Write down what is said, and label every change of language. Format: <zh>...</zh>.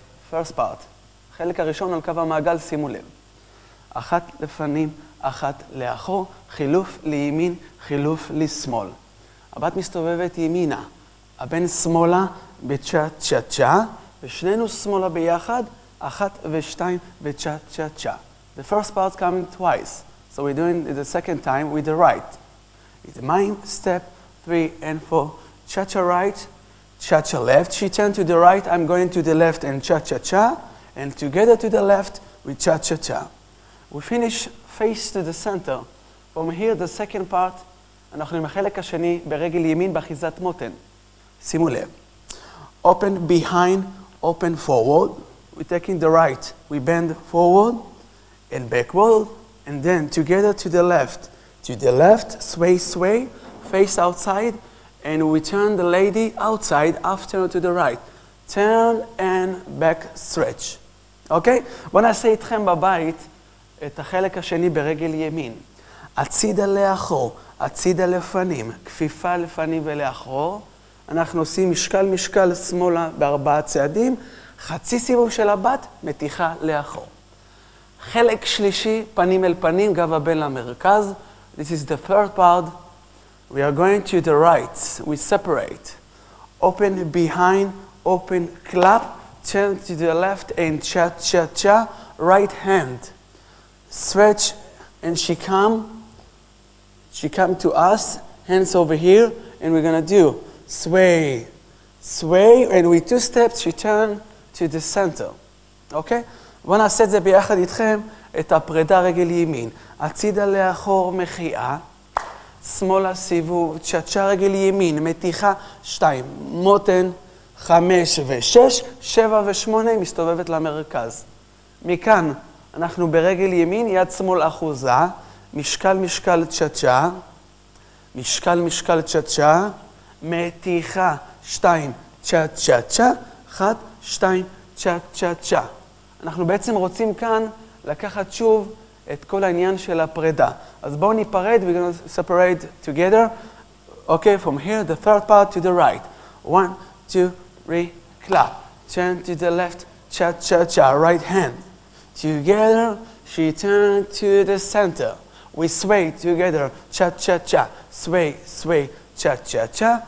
<en>First part,</en> <he>חלק הראשון על קו המעגל, שימו לב. אחת לפנים, אחת לאחור, חילוף לימין, חילוף לשמאל. הבת מסתובבת ימינה, הבן שמאלה בצ'ה צ'ה צ'ה, ושנינו שמאלה ביחד, אחת ושתיים בצ'ה צ'ה צ'ה.</he> <en>The first part coming twice, so we're doing it the second time with the right. It's my step, three and four, cha-cha right, cha-cha left. She turned to the right, I'm going to the left and cha-cha-cha, and together to the left with cha-cha-cha. We finish face to the center. From here, the second part,</en> <he>אנחנו עם החלק השני ברגל ימין באחיזת מותן. שימו לב.</he> <en>Open behind, open forward. We're taking the right, we bend forward. And backward, and then together to the left, sway, sway, face outside, and we turn the lady outside, after to the right, turn and back stretch. Okay?</en> <he>בוא נעשה איתכם בבית את החלק השני ברגל ימין. הצידה לאחור, הצידה לפנים, כפיפה לפנים ולאחור. אנחנו עושים משקל משקל שמאלה בארבעה צעדים, חצי סיבוב של הבת, מתיחה לאחור. חלק שלישי, פנים אל פנים, גב הבן למרכז.</he> <en>This is the third part. We are going to the right. We separate. Open behind, open clap. Turn to the left and cha cha cha. Right hand. Stretch and she come. She come to us. Hands over here. And we're gonna do sway. Sway and with two steps she turn to the center. Okay?</en> <he>בואו נעשה את זה ביחד איתכם, את הפרידה רגל ימין. הצידה לאחור מחייה, שמאלה סיבוב, צ'אצ'ה רגל ימין, מתיחה, שתיים, מותן, חמש ושש, שבע ושמונה, מסתובבת למרכז. מכאן אנחנו ברגל ימין, יד שמאל אחוזה, משקל משקל צ'אצ'ה, משקל משקל צ'אצ'ה, מתיחה, שתיים, צ'אצ'ה, אחת, שתיים, צ'אצ'ה. אנחנו בעצם רוצים כאן לקחת שוב את כל העניין של הפרידה. אז בואו ניפרד,</he> <en>we're gonna separate together. Okay, from here, the third part to the right. One, two, three, clap. Turn to the left, cha cha cha, right hand. Together, she turned to the center. We sway together, cha cha cha. Sway, sway, cha cha cha.</en>